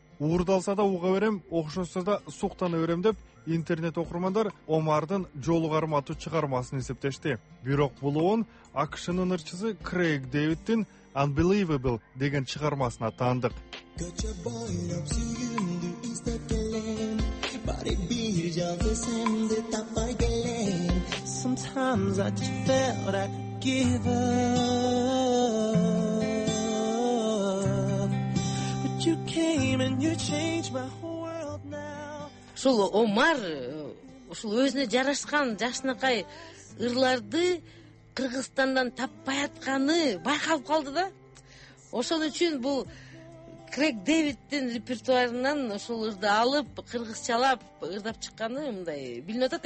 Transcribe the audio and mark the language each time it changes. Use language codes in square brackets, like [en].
[ky] Уурдалса да уга берем, окшосо да суктана берем деп интернет окурмандар Омардын Жолу Карматуу чыгармасын эсептешти. Бирок бул оон АКШнын ырчысы Крейг Дэвидтин Unbelievable деген чыгармасына таандык. Көчө бойлоп сүйүмдү издеп келем, баары бир жалгыз сенди таппай келем. [en] Sometimes I just felt I'd give up, but you came and you changed my world now. [ky] Ушул Омар ушул өзүнө жарашкан жакшынакай ырларды Кыргызстандан таппай атканы байкалып калды да. Ошон үчүн бул Крейг Дэвидтин репертуарынан ошол ырды алып кыргызчалап ырдап чыкканы мындай билинип атат.